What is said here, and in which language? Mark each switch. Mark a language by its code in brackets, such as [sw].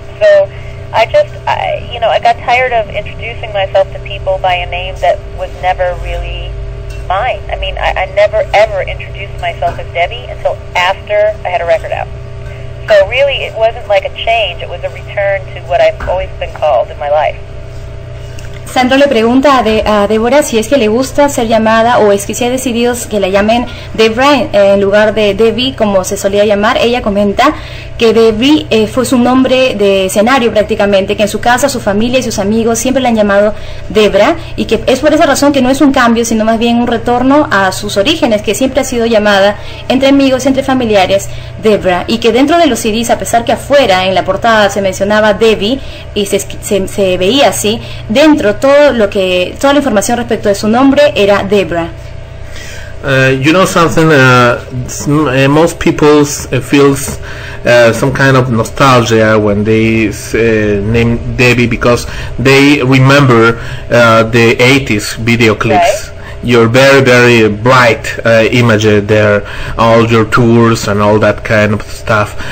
[en] So I just, I got tired of introducing myself to people by a name that was never really mine. I mean, I never, ever introduced myself as Debbie until after I had a record out. So really, it wasn't like a change. It was a return to what I've always been called in my life. [es] Sandro le pregunta a Débora si es que le gusta ser llamada o es que se ha decidido que la llamen Debra en lugar de Debbie, como se solía llamar. Ella comenta que Debbie fue su nombre de escenario prácticamente, que en su casa, su familia y sus amigos siempre la han llamado Debra y que es por esa razón que no es un cambio, sino más bien un retorno a sus orígenes, que siempre ha sido llamada entre amigos y entre familiares Debra. Y que dentro de los CDs, a pesar que afuera en la portada se mencionaba Debbie y se veía así, dentro toda la información respecto de su nombre era Debra. [en] You know something, most people feels some kind of nostalgia when they name Debbie because they remember the 80s video clips. Right. Your very, very bright image there, all your tours and all that kind of stuff.